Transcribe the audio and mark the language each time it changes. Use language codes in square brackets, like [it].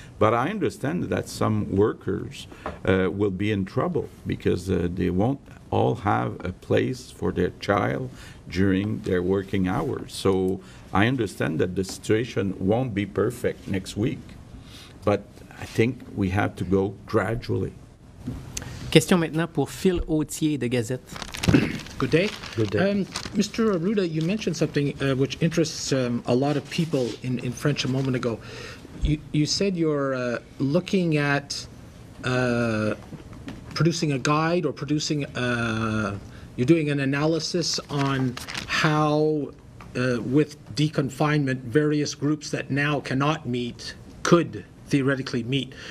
[en] But I understand that some workers will be in trouble, because they won't all have a place for their child during their working hours. So I understand that the situation won't be perfect next week. But I think we have to go gradually. [fr] Question maintenant pour Phil Autier de Gazette. [en] Good day. Good day. Mr. Arruda, you mentioned something which interests a lot of people in French a moment ago. You said you're looking at producing a guide or producing you're doing an analysis on how, with deconfinement, various groups that now cannot meet could theoretically meet.